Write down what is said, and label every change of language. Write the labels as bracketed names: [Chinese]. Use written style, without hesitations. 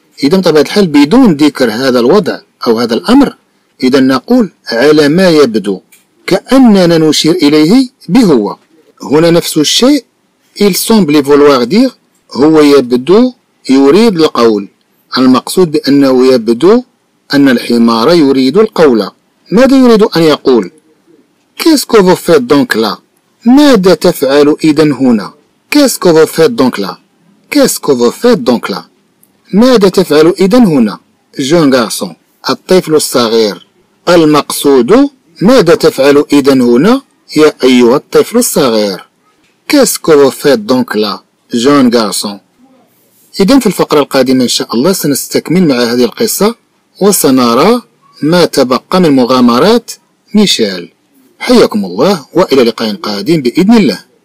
[Arabic] إذا طبعا الحال بدون ذكر هذا الوضع أو هذا الأمر, إذا نقول على ما يبدو كأننا نشير إليه بهو. هنا نفس الشيء [French] il semble vouloir dire, [Arabic] هو يبدو يريد القول, المقصود بأنه يبدو أن الحمار يريد القول. ماذا يريد أن يقول؟ [French] qu'est-ce que vous faites donc là, [Arabic] ماذا تفعل إذن هنا؟ [French] qu'est-ce que vous faites donc là, qu'est-ce que vous faites donc là, ماذا تفعل إذن هنا؟ jeune garçon, [Arabic] الطفل الصغير. المقصود ماذا تفعل إذن هنا يا أيها الطفل الصغير؟ [French] qu'est-ce que vous faites donc là jeune garçon. [Arabic] إذن في الفقرة القادمة إن شاء الله سنستكمل مع هذه القصة وسنرى ما تبقى من مغامرات ميشيل. حياكم الله وإلى لقاء قادم بإذن الله.